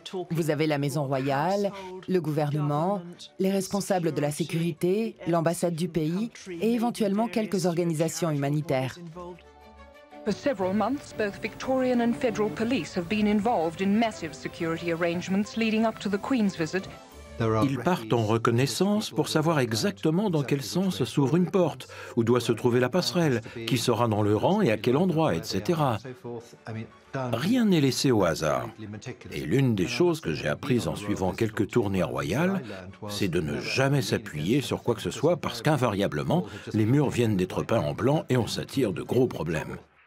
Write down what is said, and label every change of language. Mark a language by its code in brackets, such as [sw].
[fr] Vous avez la maison royale, le gouvernement, les responsables de la sécurité, l'ambassade du pays et éventuellement quelques organisations humanitaires. [en] For several months, both Victorian and federal police have been involved in massive security arrangements leading up to the Queen's visit. [fr] Ils partent en reconnaissance pour savoir exactement dans quel sens s'ouvre une porte, où doit se trouver la passerelle, qui sera dans le rang et à quel endroit, etc. Rien n'est laissé au hasard. Et l'une des choses que j'ai apprises en suivant quelques tournées royales, c'est de ne jamais s'appuyer sur quoi que ce soit parce qu'invariablement, les murs viennent d'être peints en blanc et on s'attire de gros problèmes.